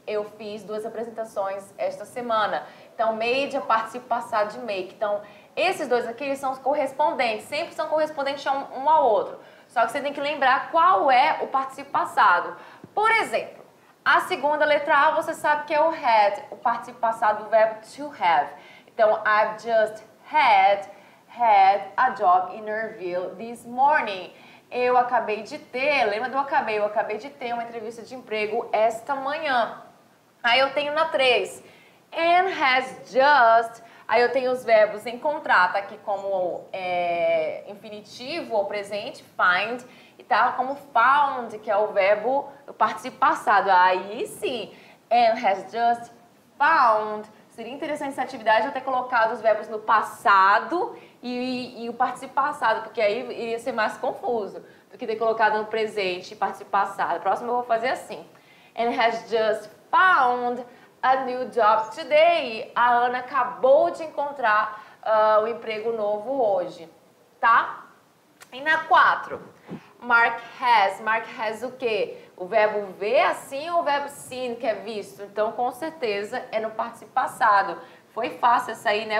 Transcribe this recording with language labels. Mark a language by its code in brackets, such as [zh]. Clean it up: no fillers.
[pt] Eu fiz 2 apresentações esta semana. Então, made é o participo passado de make. Então, esses dois aqui são os correspondentes, sempre são correspondentes um ao outro. Só que você tem que lembrar qual é o participo passado. Por exemplo, a segunda letra A, você sabe que é o had, o participo passado do verbo to have. [en] Então, I've just had a job interview this morning. [pt] Eu acabei de ter, lembra do acabei? Eu acabei de ter uma entrevista de emprego esta manhã. Aí eu tenho na 3, [en] and has just, [pt] aí eu tenho os verbos encontrar, tá aqui como infinitivo ou presente, find, e tá como found, que é o verbo participo passado. [en] Aí sim, and has just found. [pt] Seria interessante essa atividade eu ter colocado os verbos no passado e o participo passado, porque aí iria ser mais confuso do que ter colocado no presente e participo passado. Próximo eu vou fazer assim. [en] And has just found a new job today. [pt] A Ana acabou de encontrar o emprego novo hoje, tá? E na 4, Mark has o quê? O verbo ver assim ou o verbo seen, que é visto? Então, com certeza, é no participo passado. Foi fácil essa aí, né?